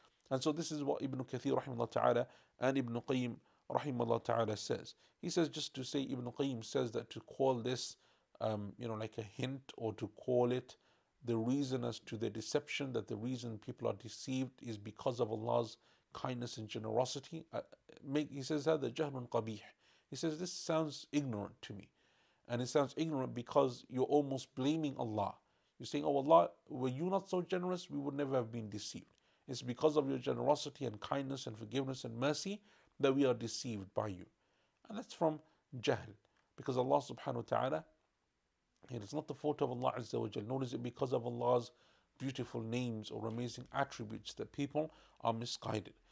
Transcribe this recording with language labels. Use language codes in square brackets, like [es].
[en] And so this is what Ibn Kathir rahimahullah ta'ala and Ibn Qayyim rahimahullah ta'ala says. He says, just to say, Ibn Qayyim says that to call this, you know, like a hint, or to call it the reason as to the deception, that the reason people are deceived is because of Allah's kindness and generosity. He says, [ar] هذا جهل قبيح. [en] He says, this sounds ignorant to me. And it sounds ignorant because you're almost blaming Allah. You're saying, oh Allah, were you not so generous, we would never have been deceived. It's because of your generosity and kindness and forgiveness and mercy that we are deceived by you. And that's from jahl. Because Allah subhanahu wa ta'ala, it is not the fault of Allah azza wa jal, nor is it because of Allah's beautiful names or amazing attributes that people are misguided.